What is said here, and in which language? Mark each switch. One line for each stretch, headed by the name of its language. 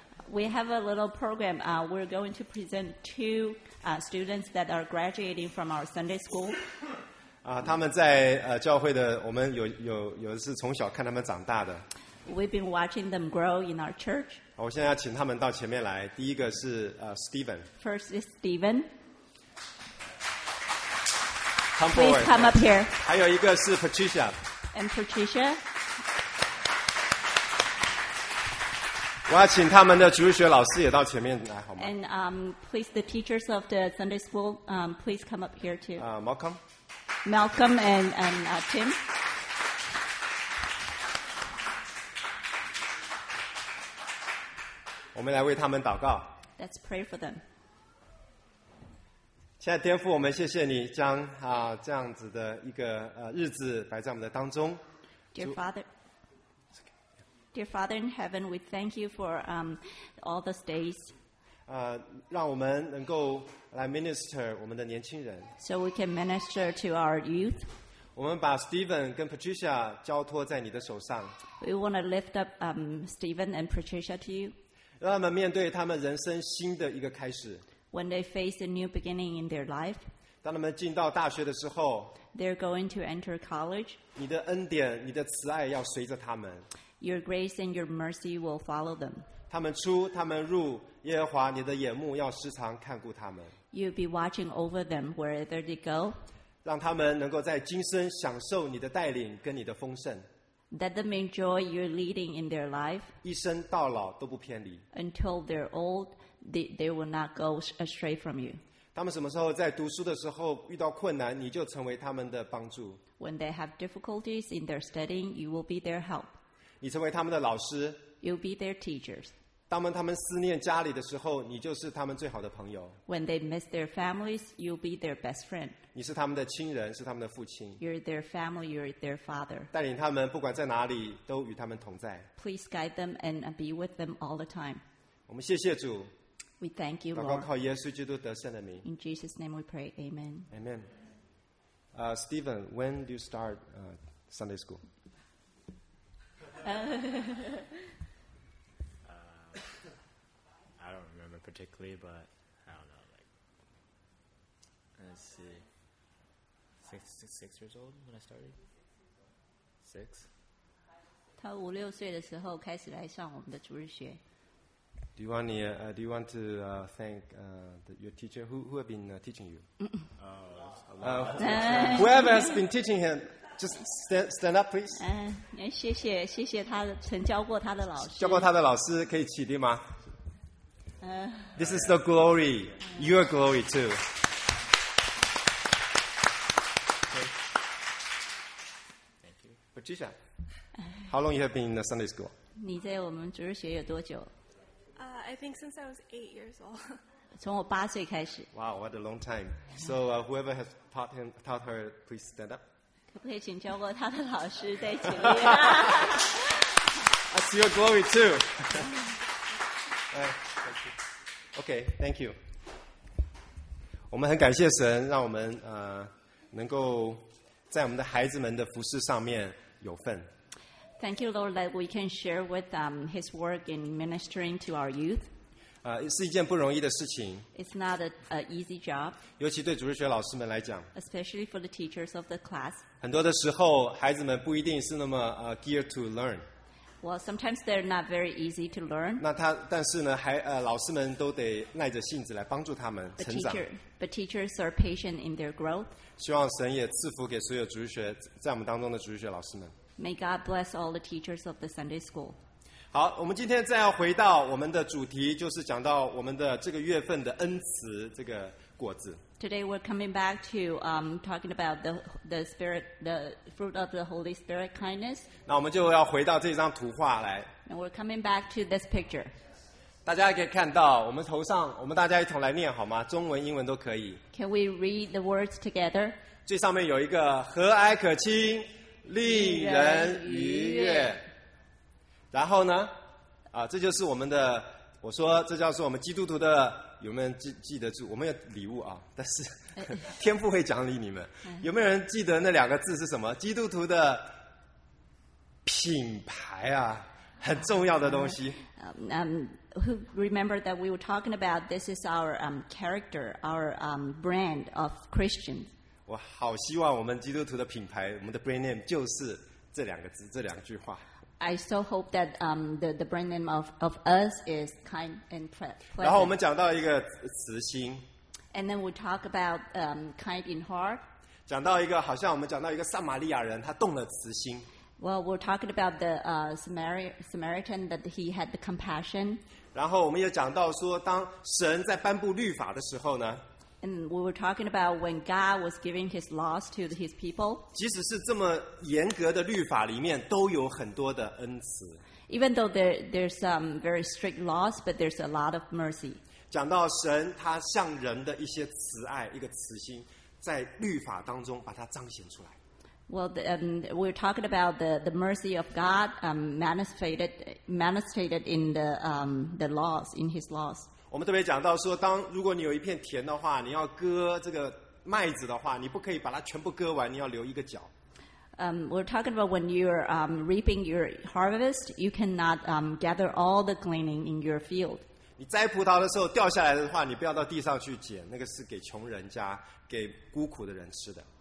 English: We have a little program. We're going to present two students that are graduating from our Sunday School.
Chinese: 他们在教会的，我们有的是从小看他们长大的。
English: We've been watching them grow in our church.
Chinese: 我现在要请他们到前面来。第一个是Stephen.
English: First is Stephen. Come forward. Please come up here.
Chinese: 还有一个是 Patricia.
English: And Patricia.
Chinese: 我要请他们的主日学老师也到前面来，好吗
English: ？And please the teachers of the Sunday school, please come up here too. Malcolm. Malcolm and Tim.
Chinese: 我们来为他们祷告。
English: Let's pray for them.
Chinese: 亲爱的天父，我们谢谢你将这样子的一个日子摆在我们的当中。
English: Dear Father. Dear Father in Heaven, we thank you for all those days.
Chinese: 让我们能够来 minister 我们的年轻人。
English: So we can minister to our youth.
Chinese: 我们把 Stephen 跟 Patricia 交托在你的手上。
English: We want to lift up Stephen and Patricia to you.
Chinese: 让他们面对他们人生新的一个开始。
English: When they face a new beginning in their life.
Chinese: 当他们进到大学的时候。
English: They're going to enter college.
Chinese: 你的恩典，你的慈爱要随着他们。
English: Your grace and your mercy will follow them.
Chinese: 他们出，他们入，耶和华你的眼目要时常看顾他们。
English: You'll be watching over them wherever they go.
Chinese: 让他们能够在今生享受你的带领跟你的丰盛。
English: Let them enjoy your leading in their life.
Chinese: 一生到老都不偏离。
English: Until they're old, they will not go astray from you.
Chinese: 他们什么时候在读书的时候遇到困难，你就成为他们的帮助。
English: When they have difficulties in their studying, you will be their help.
Chinese: 你成为他们的老师。
English: You'll be their teachers.
Chinese: 当他们思念家里的时候，你就是他们最好的朋友。
English: When they miss their families, you'll be their best friend.
Chinese: 你是他们的亲人，是他们的父亲。
English: You're their family, you're their father.
Chinese: 带领他们不管在哪里，都与他们同在。
English: Please guide them and be with them all the time.
Chinese: 我们谢谢主。
English: We thank you, Lord.
Chinese: 祷告靠耶稣基督得胜的名。
English: In Jesus' name we pray, Amen. Amen. Stephen, when do you start Sunday school? I don't remember particularly, but I don't know. Like, let's see. Six years old when I started? Six?
Chinese: 他五六岁的时候开始来上我们的主日学。
English: Do you want, do you want to thank your teacher? Who have been teaching you? whoever has been teaching him. Just stand up, please.
Chinese: 谢谢他曾教过他的老师。教过他的老师可以起立吗？
English: This is the glory, your glory too. Thank you, Patricia. How long you have been in the Sunday school?
Chinese: 你在我们主日学有多久
English: ？I think since I was 8 years old.
Chinese: 从我八岁开始。
English: Wow, what a long time. So whoever has taught her, please stand up.
Chinese: 可不可以请教过他的老师再请立、啊、
English: That's your glory too. Right, thank you. Okay, thank you.
Chinese: 我们很感谢神让我们能够在我们的孩子们的服事上面有份。
English: Thank you, Lord, that we can share with his work in ministering to our youth.
Chinese: 是一件不容易的事情。
English: It's not an easy job.
Chinese: 尤其对主日学老师们来讲。
English: Especially for the teachers of the class.
Chinese: 很多的时候，孩子们不一定是那么
English: geared to learn. Well, sometimes they're not very easy to learn.
Chinese: 但是呢，老师们都得耐着性子来帮助他们成长。
English: But teachers are patient in their growth.
Chinese: 希望神也赐福给所有主日学在我们当中的主日学老师们。
English: May God bless all the teachers of the Sunday school.
Chinese: 好，我们今天再要回到我们的主题，就是讲到我们的这个月份的恩慈这个果子。
English: Today we're coming back to talking about the spirit, the fruit of the Holy Spirit, kindness.
Chinese: 那我们就要回到这张图画来。
English: And we're coming back to this picture.
Chinese: 大家可以看到，我们头上，我们大家一同来念好吗？中文、英文都可以。
English: Can we read the words together?
Chinese: 最上面有一个和蔼可亲，令人愉悦。然后呢啊，这就是我们的，我说这叫做我们基督徒的，有没有人 记得住我们有礼物啊，但是天父会奖励你们。有没有人记得那两个字是什么？基督徒的品牌啊，很重要的东西。
English: Who remember that we were talking about this is our character, our brand of Christians.
Chinese: 我好希望我们基督徒的品牌，我们的 brand name 就是这两个字，这两句话。
English: I so hope that the brand name of us is kind and pleasant.
Chinese: 然后我们讲到一个慈心。
English: And then we talk about kind in heart.
Chinese: 讲到一个，好像我们讲到一个撒玛利亚人，他动了慈心。
English: Well, we're talking about the Samaritan that he had the compassion.
Chinese: 然后我们也讲到说，当神在颁布律法的时候呢。
English: And we were talking about when God was giving His laws to His people.
Chinese: 即使是这么严格的律法里面，都有很多的恩慈。
English: Even though there's some very strict laws, but there's a lot of mercy.
Chinese: 讲到神他向人的一些慈爱，一个慈心，在律法当中把它彰显出来。
English: Well, we're talking about the mercy of God manifested in the laws, in His laws.
Chinese: 我们特别讲到说，当如果你有一片田的话，你要割这个麦子的话，你不可以把它全部割完，你要留一个角。
English: We're talking about when you're reaping your harvest, you cannot gather all the gleaning in your field.
Chinese: 你摘葡萄的时候掉下来的话，你不要到地上去捡，那个是给穷人家、给孤苦的人吃的。